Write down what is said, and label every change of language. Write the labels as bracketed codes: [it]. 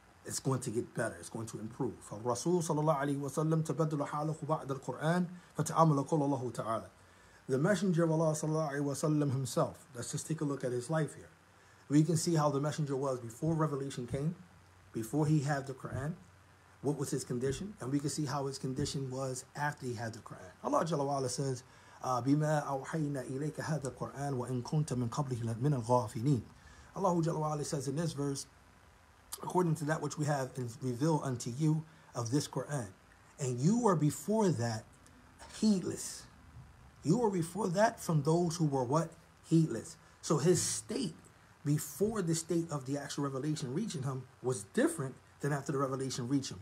[en] It's going to get better. It's going to improve. [ar] فالرسول صلى الله عليه وسلم تبدل حاله بعد القرآن فتعامل قول الله تعالى. [en] The Messenger of Allah صلى الله عليه وسلم himself, let's just take a look at his life here. We can see how the Messenger was before revelation came, before he had the Quran, what was his condition, and we can see how his condition was after he had the Quran. [ar] Allah جل وعلا says, بِمَا أَوْحَيْنَا إِلَيْكَ هَذَا الْقُرْآنَ وَإِنْ كُنْتَ مِنْ قَبْلِهِ لَمِنَ الْغَافِلِينَ. [en] Allah جل وعلا says in this verse, according to that which we have revealed unto you of this Quran, and you were before that heedless. You were before that from those who were what? Heedless. So his state before the state of the actual revelation reaching him was different than after the revelation reached him.